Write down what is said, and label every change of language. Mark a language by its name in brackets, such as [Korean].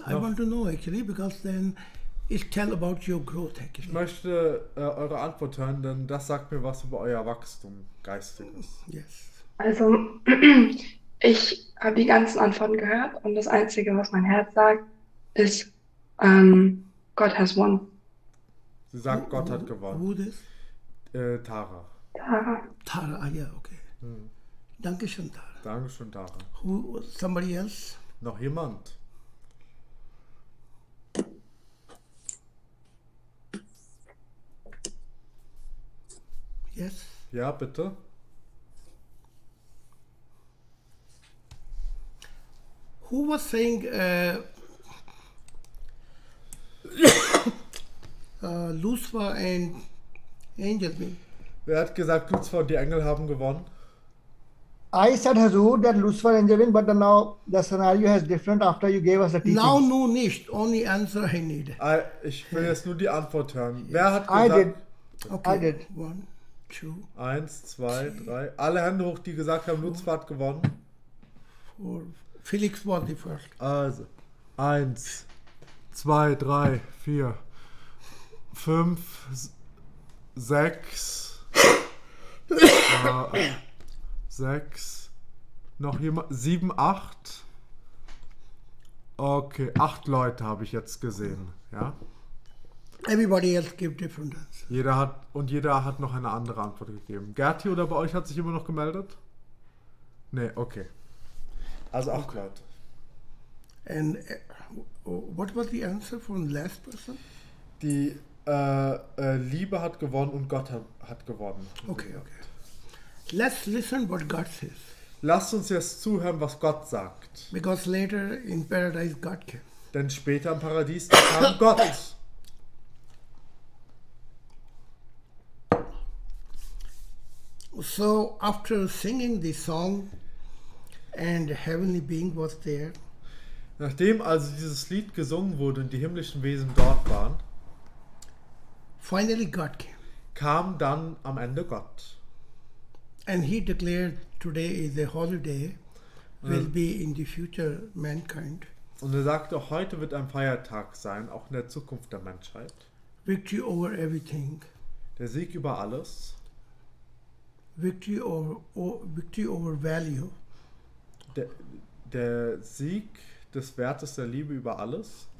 [English] No. I want to know, actually, because then it tell about your growth, actually. [German] Ich möchte eure Antwort hören, denn das sagt mir was über euer Wachstum, geistiges. [English] Yes. [German] Also, ich habe die ganzen Antworten gehört und das Einzige, was mein Herz sagt, ist, [English] God has won. [German] Sie sagt, who, Gott hat gewonnen. [English] Who this? Tara. Tara. [German] Tara, ah ja, okay. Dankeschön, Tara. Dankeschön, Tara. [English] Who, somebody else? [German] Noch jemand? [English] Yes? [German] Ja, bitte. [English] Who was saying, Lucifer and Angel? [German] Wer hat gesagt, Lucifer und die Engel haben gewonnen? [English] I said, Hazur, that Lucifer and Angel win, but now the scenario has different after you gave us the teaching. Now, no, nicht. Only answer I need. [German] Ich will jetzt nur die Antwort hören. Yes. Wer hat gesagt? [English] I did. Okay. I did. One, two. [German] Eins, zwei, drei. Alle Hände hoch, die gesagt haben, Lucifer hat gewonnen. [English] Four. Felix won the first. [German] Also, eins, zwei, drei, vier, fünf, sechs, sechs, noch jemand, sieben, acht. Okay, acht Leute habe ich jetzt gesehen, ja. [English] Everybody else gave different answers. [German] Jeder hat noch eine andere Antwort gegeben. Gerti oder bei euch hat sich immer noch gemeldet? Nee, okay. Also auch okay. Leute. [English] And what was the answer from the last person? [German] Die Liebe hat gewonnen und Gott hat gewonnen. [English] Okay, okay. Let's listen what God says. [German] Lasst uns jetzt zuhören, was Gott sagt. [English] Because later in paradise God came. [German] Denn später im Paradies kam Gott. [English] So after singing the song and the heavenly being was there. [German] Nachdem also dieses Lied gesungen wurde und die himmlischen Wesen dort waren, [English] finally God came. [German] Kam dann am Ende Gott. [English] And he declared today is a holiday, will be in the future mankind. [German] Und sagte, heute wird ein Feiertag sein, auch in der Zukunft der Menschheit. [English] Victory over everything. [German] Der Sieg über alles. [English] Victory over value. [German] Der Sieg des Wertes der Liebe über alles.